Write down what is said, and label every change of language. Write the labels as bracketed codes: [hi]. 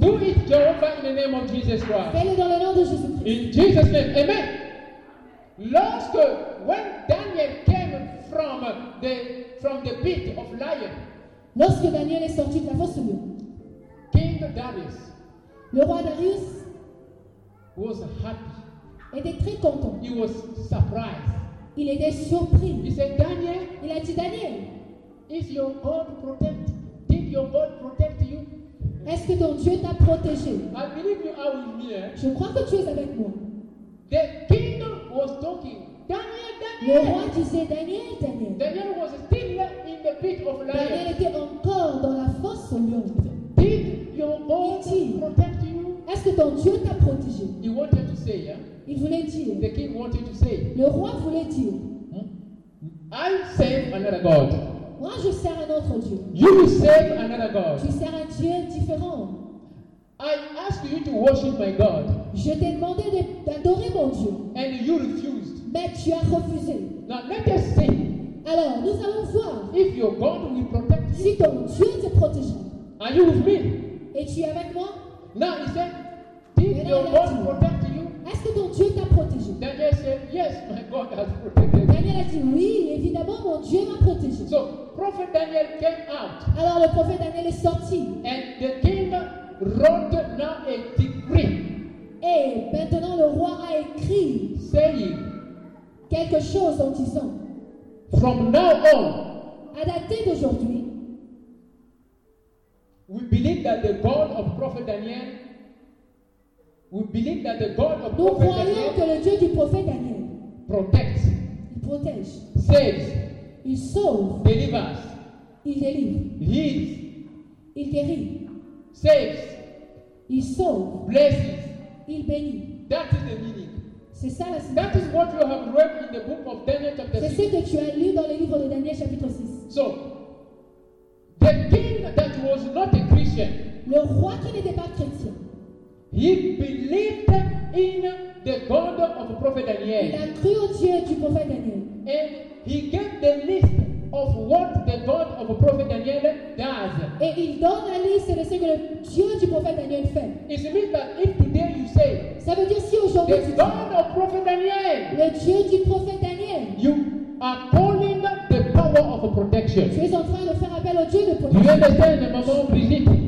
[en] Do it, Jehovah, in the name of Jesus Christ. [fr] Fais-le dans le nom de Jésus Christ. [en] In Jesus' name, amen. Lorsque, when Daniel came from the pit of lion. [fr] Lorsque Daniel est sorti de la fosse lion. [en] King Darius. [fr] Le roi Darius. [en] Was happy. [fr] Était très content. [en] He was surprised. [fr] Il était surpris. [en] He said, Daniel, [fr] il a dit Daniel, [en] is your God protect? Did your God protect you? [fr] Est-ce que ton Dieu t'a protégé? [en] I believe you are with me. [fr] Je crois que tu es avec moi. [en] The king was talking. Daniel, Daniel. [fr] Le roi disait Daniel, Daniel. [en] Daniel was still in the pit of lion. [fr] Daniel était encore dans la fosse au lion. [en] Did your God protect you? [fr] Est-ce que ton Dieu t'a protégé? [en] He wanted to say, yeah. [fr] Il voulait dire. [en] The king wanted to say. [fr] Le roi voulait dire. [en] I serve another God. [fr] Moi, je sers un autre Dieu. [en] You serve another God. [fr] Tu sers un Dieu différent. [en] I ask you to worship my God. [fr] Je t'ai demandé d'adorer mon Dieu. [en] And you refused. [fr] Mais tu as refusé. [en] Now let us see. [fr] Alors, nous allons voir. [en] If your God will protect you. [fr] Si ton Dieu te protège. [en] Are you with me? [fr] Et tu es avec moi? [en] Now he said, did your God protect you? [fr] Est-ce que ton Dieu t'a protégé? [en] Daniel said, yes, my God has protected. [fr] Daniel a dit oui, évidemment, mon Dieu m'a protégé. [en] So, prophet Daniel came out. [fr] Alors le prophète Daniel est sorti. [en] And the king wrote now a decree. [fr] Et maintenant le roi a écrit. [en] Saying, [fr] quelque chose en disant. [en] From now on. [fr] À dater d'aujourd'hui. [en] We believe that the God of prophet Daniel. We believe that the God of [fr] nous [en] prophet [fr] croyons [en] Daniel [fr] que le Dieu du prophète Daniel [en] protects, [fr] il protège, [en] saves, [fr] il sauve, [en] delivers, [fr] il délivre, [en] heals, [fr] il guérit, [en] saves, [fr] il sauve, [en] blesses, [fr] il bénit. [en] That is the meaning. [fr] C'est ça la signification. [en] That is what you have read in the book of Daniel chapter 6. [fr] C'est ce que tu as lu dans le livre de Daniel chapitre 6. [en] So, the king that was not a Christian. [fr] Le roi qui n'était pas chrétien. [en] He believed in the God of prophet Daniel. [fr] Il a cru au Dieu du prophète Daniel. [en] And he gave the list of what the God of prophet Daniel does. [fr] Et il donne la liste de ce que le Dieu du prophète Daniel fait. [en] It means that if today you say, [fr] ça veut dire si aujourd'hui [en] the God of prophet Daniel, [fr] le Dieu du prophète Daniel, [en] you are calling the power of protection. [fr] Tu es en train de faire appel au Dieu de protection. [en] You understand, maman Brigitte?